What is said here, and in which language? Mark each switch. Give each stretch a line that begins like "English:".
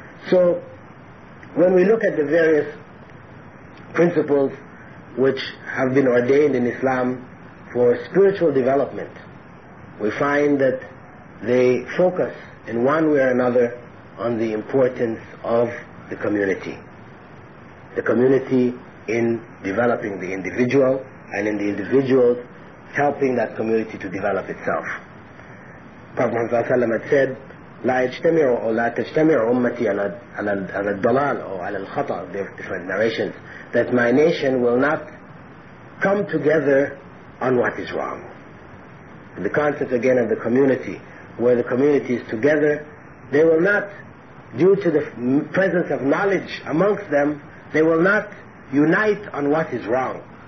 English: So, when we look at the various principles which have been ordained in Islam for spiritual development, we find that they focus in one way or another on the importance of the community. The community in developing the individual, and in the individuals helping that community to develop itself. Prophet Muhammad Sallallahu Alaihi Wasallam had said,
Arabic: لا يجتمع أو لا تجتمع أمتي على الضلال أو على الخطأ.
English: There are different narrations. That my nation will not come together on what is wrong. The concept again of the community, where the community is together, they will not, due to the presence of knowledge amongst them, they will not unite on what is wrong.